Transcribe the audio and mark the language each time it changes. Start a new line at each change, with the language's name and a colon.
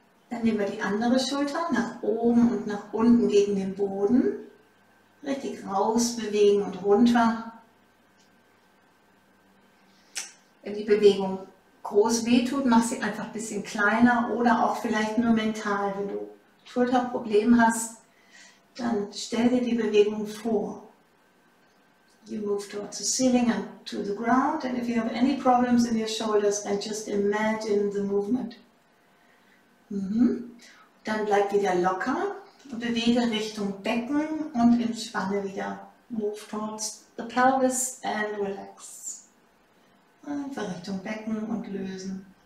German: Dann nehmen wir die andere Schulter nach oben und nach unten gegen den Boden, richtig raus bewegen und runter. Wenn die Bewegung groß wehtut, mach sie einfach ein bisschen kleiner oder auch vielleicht nur mental. Wenn du Schulterprobleme hast, dann stell dir die Bewegung vor.
English: You move towards the ceiling and to the ground. And if you have any problems in your shoulders, then just imagine the movement.
German: Dann bleib wieder locker und bewege Richtung Becken und entspanne wieder.
English: Move towards the pelvis and relax.
German: Einfach Richtung Becken und lösen.